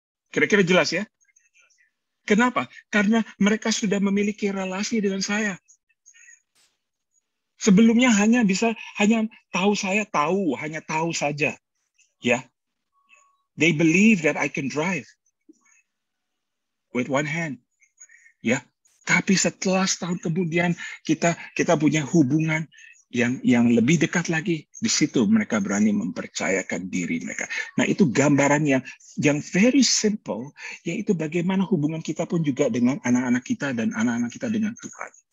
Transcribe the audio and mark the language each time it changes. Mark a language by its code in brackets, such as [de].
[id] Kira-kira jelas ya? Kenapa? Karena mereka sudah memiliki relasi dengan saya. Sebelumnya hanya tahu saja. Yeah. [en] They believe that I can drive with one hand. [id] Ya, tapi setelah setahun kemudian kita punya hubungan yang lebih dekat lagi. Di situ mereka berani mempercayakan diri mereka. Nah, itu gambaran yang [en] very simple, [id] yaitu bagaimana hubungan kita pun juga dengan anak-anak kita dan anak-anak kita dengan Tuhan.